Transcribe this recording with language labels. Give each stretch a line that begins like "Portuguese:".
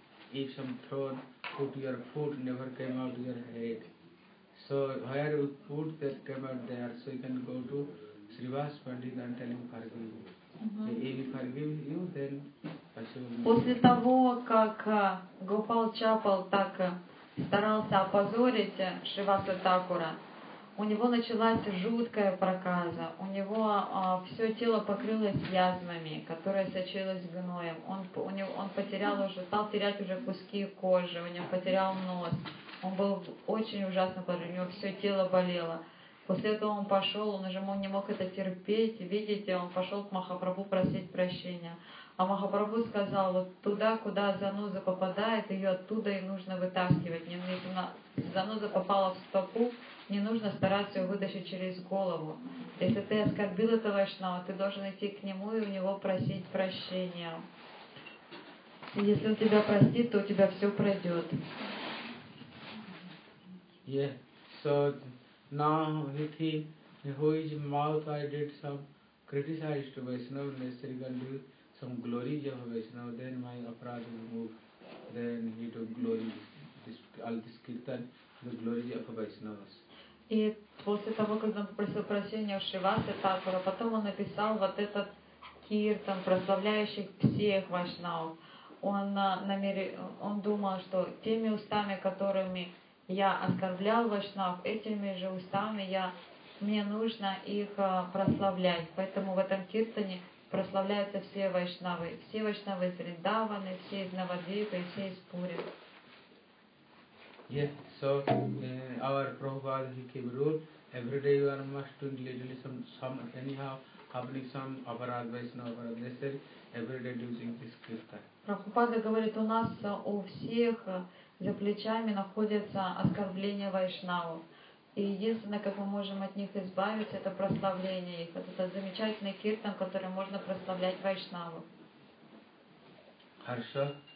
English: If some throne put your foot, never came out your head. So where you put that came out there, so you can go to Srivas Pandit and tell him forgive you. If he forgives you, then
Russian: после того, как Гопал Чапал так старался опозорить Шриваса Такура, у него началась жуткая проказа. У него все тело покрылось язвами, которые сочились гноем. Он стал терять уже куски кожи, у него потерял нос. Он был очень ужасно положен, у него все тело болело. После этого он пошел, он уже не мог это терпеть, видите, он пошел к Махапрабху просить прощения. А Махапрабху сказал, вот туда, куда заноза попадает, ее оттуда и нужно вытаскивать. Заноза попала в стопу, не нужно стараться ее вытащить через голову. Если ты оскорбил этого вайшнава, ты должен идти к нему и у него просить прощения. Если он тебя простит, то у тебя все пройдет.
English: Yeah, so now he who is mouth I did some criticized Vaishnava, necessarily can do some glories of Vaishnava, then my aparadha will move. Then he do glory, this, all this kirtan, the glory of Vaishnavas.
Russian: И после того, как он попросил прощения у Шриваса Такура, потом он написал вот этот киртан, прославляющий всех вайшнав. Он думал, что теми устами, которыми я оскорблял вайшнав, этими же устами мне нужно их прославлять. Поэтому в этом киртане прославляются все вайшнавы. Все вайшнавы из Риндаваны, все из Навадвипы, все из Пури.
English: Yeah, so our Prabhupada, he gave rule, every day you must do literally some anyhow, happening some aparadha, Vaishnava aparadha, necessary, every day using this kirtan.
Russian: Prabhupada говорит, у нас у всех за плечами находятся оскорбления Вайшнава. И единственное, как мы можем от них избавиться, это прославление их. Это замечательный киртан, который можно прославлять Вайшнаву. Хорошо.